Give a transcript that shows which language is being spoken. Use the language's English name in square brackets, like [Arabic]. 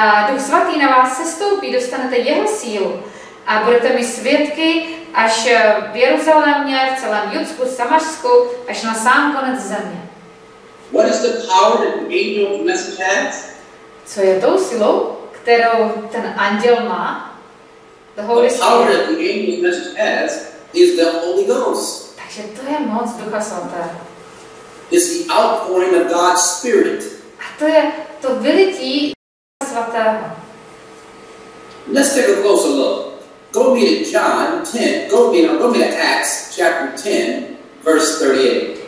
[Czech] Duch svatý na vás sestoupí, dostanete jeho sílu a budete mi svědky až v Jeruzalémě, v celém Judsku, Samařsku, až na sám konec země. [English] What is the power that the angel message has? [Czech] Co je tou silou, kterou ten anděl má? [English] The Holy Spirit. The power that the angel message has is the Holy Ghost. [Czech] Takže to je moc Ducha svatého. [English] Is the outpouring of God's Spirit. [Czech] A to je to vylití Ducha svatého. [English] Let's take a closer look. Go me to John 10. Go me to Acts chapter 10, verse 38.